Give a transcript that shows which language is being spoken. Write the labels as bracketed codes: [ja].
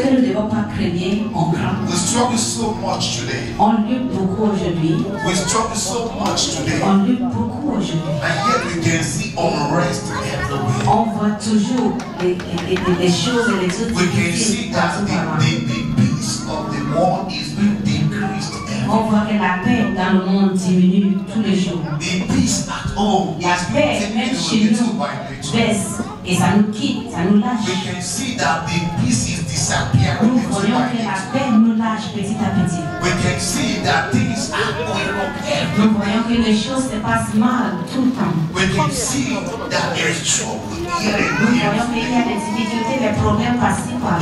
[fr] Ce que nous ne devons pas craindre, on craint. [en] We struggle so much today. [fr] On lutte beaucoup aujourd'hui. [en] We struggle so much today. [fr] On lutte beaucoup aujourd'hui. [en] And yet we can see unrest everywhere. [fr] On voit toujours les choses et les autres. [en] We can see that the peace of the world is being decreased. [fr] On voit que la paix dans le monde diminue tous les jours. [en] The peace at home, [fr] la paix même chez nous baisse et ça nous quitte, ça nous lâche. [en] We can see that the peace is disappearing. [fr] Nous voyons que la paix nous lâche petit à petit. [en] We can see that things are going on everywhere. [fr] Nous voyons que les choses se passent mal tout le temps. [en] We can see that there is trouble here and there. [fr] Nous voyons qu'il y a des difficultés, des problèmes par-ci par-là.